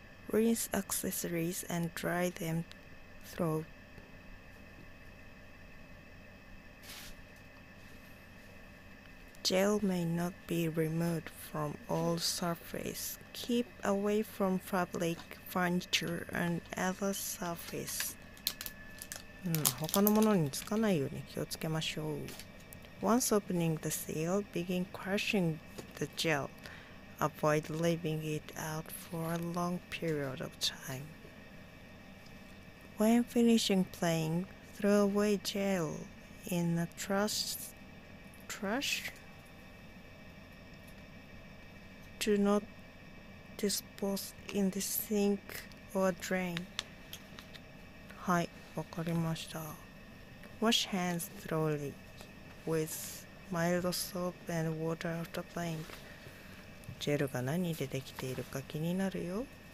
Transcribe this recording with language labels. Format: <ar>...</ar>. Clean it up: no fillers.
<en>Rinse accessories and dry them through. Gel may not be removed from all surfaces. Keep away from fabric, furniture, and other surfaces.</en> <ja>うん、他のものにつかないように気をつけましょう。</ja> <en>Once opening the seal, begin crushing the gel. Avoid leaving it out for a long period of time. When finishing playing, throw away gel in a trash. Do not dispose in the sink or drain.</en> <ja>はい、わかりました。</ja> <en>Wash hands thoroughly with mild soap and water after playing.</en> <ja>ジェルが何でできているか気になるよ。</ja>